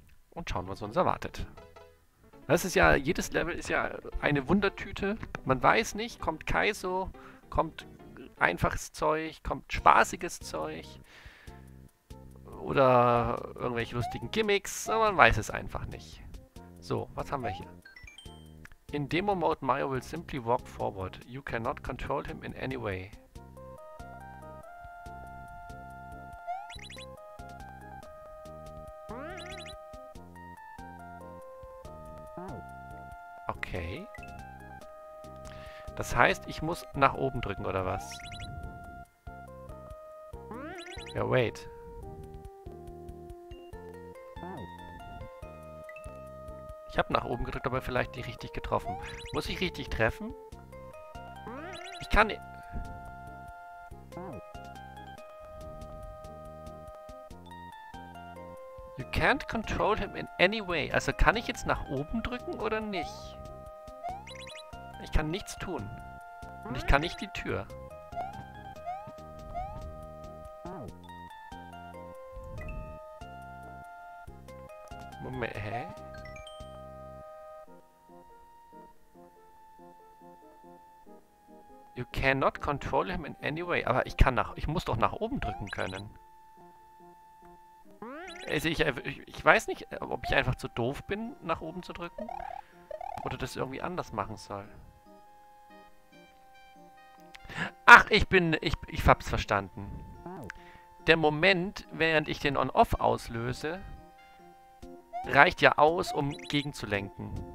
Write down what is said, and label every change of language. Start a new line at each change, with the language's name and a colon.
German: Und schauen, was uns erwartet. Das ist ja, jedes Level ist ja eine Wundertüte. Man weiß nicht, kommt Kaizo, kommt einfaches Zeug, kommt spaßiges Zeug oder irgendwelche lustigen Gimmicks, aber man weiß es einfach nicht. So, was haben wir hier?
English: In Demo Mode, Mario will simply walk forward. You cannot control him in any way.
German: Okay. Das heißt, ich muss nach oben drücken, oder was? Ja, wait. Ich habe nach oben gedrückt, aber vielleicht nicht richtig getroffen. Muss ich richtig treffen? Ich kann nicht.
English: You can't control him in any way.
German: Also kann ich jetzt nach oben drücken oder nicht? Ich kann nichts tun. Und ich kann nicht die Tür. Moment, hä?
English: You cannot control him in any way.
German: Aber ich muss doch nach oben drücken können. Also ich weiß nicht, ob ich einfach zu doof bin, nach oben zu drücken. Oder das irgendwie anders machen soll. Ach, ich hab's verstanden. Der Moment, während ich den On-Off auslöse, reicht ja aus, um gegenzulenken.